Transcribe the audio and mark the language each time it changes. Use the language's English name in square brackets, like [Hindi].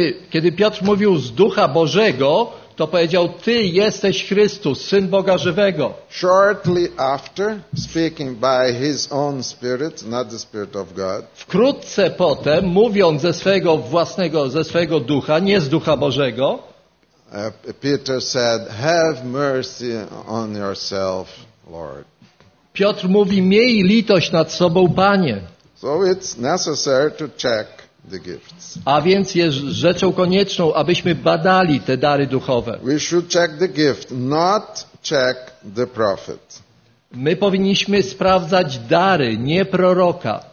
[Polish] Kiedy Piotr mówił z Ducha Bożego, to powiedział, Ty jesteś Chrystus, Syn Boga Żywego. [English] Shortly after, speaking by his own spirit, not the spirit of God. [Polish] Wkrótce potem, mówiąc ze swojego ducha, nie z Ducha Bożego, [English] Peter said, have mercy on yourself, Lord. [Polish] Piotr mówi, miej litość nad sobą, Panie. [English] So it's necessary to check. The gifts. [Polish] A więc jest rzeczą konieczną, abyśmy badali te dary duchowe. [English] We should check the gift, not check the prophet. [Polish] My powinniśmy sprawdzać dary, nie proroka.